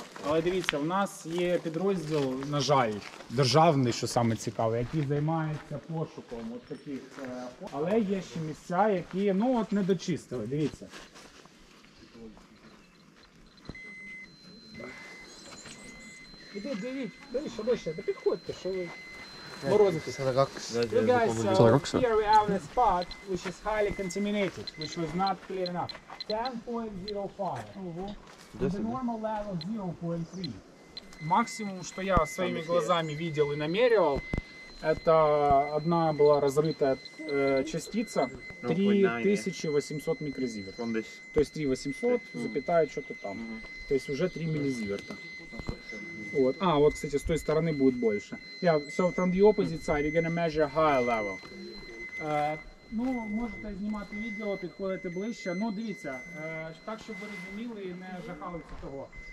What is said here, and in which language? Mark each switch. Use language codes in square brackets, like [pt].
[uk] Але дивіться, в нас є підрозділ, на жаль, державний, що саме цікаве, який займається пошуком от таких. Але є ще місця, які, ну от, не дочистили. Дивіться. Іди, дивіться, дивіться, що вище, да підходьте, що ви. [en] You guys, here we have a spot which is highly contaminated, which was not clear enough. 10.05. The normal level 0.3. [ru] Максимум, что я своими глазами видел и намерил, это одна была разрытая частица 3800 микрозиверт. То есть 3800, запятая что-то там. То есть уже 3 миллизиверта. Вот. А, вот, кстати, с той стороны будет больше. [en] Yeah, so from the opposite side, you're gonna measure higher level. [uk] Ну, можете знімати відео, підходити ближче. Ну, дивіться, так, щоб ви розуміли і не жахалися того.